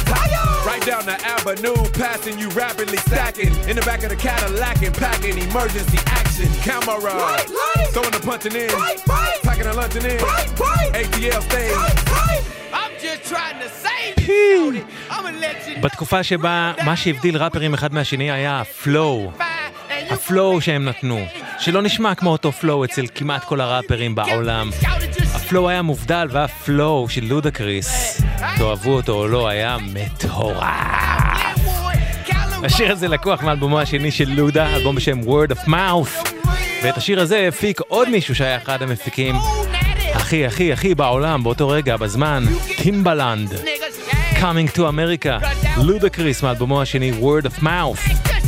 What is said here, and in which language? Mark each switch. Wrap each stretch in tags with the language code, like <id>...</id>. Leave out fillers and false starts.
<en>tire. Right down the avenue, passing you rapidly, stacking in the back of the Cadillac and packing emergency action. Camera, light, light. Throwing the punching in, fight, fight. Packing a luncheon in, fight, fight. ATL stage, I'm just trying to save it. I'm gonna let you.</en> <he>בתקופה שבה מה שהבדיל ראפרים אחד מהשני היה הפלואו. הפלואו שהם נתנו, שלא נשמע כמו אותו פלואו אצל כמעט כל הראפרים בעולם. הפלואו היה מובדל, והפלואו של לודה קריס, תאהבו אותו או לא, היה מטורף. השיר הזה לקוח מאלבומו השני של לודה, אלבום בשם Word of Mouth. ואת השיר הזה הפיק עוד מישהו שהיה אחד המפיקים הכי הכי הכי בעולם באותו רגע, בזמן, טימבלנד. Coming to America, לודה קריס מאלבומו השני Word of Mouth.</he>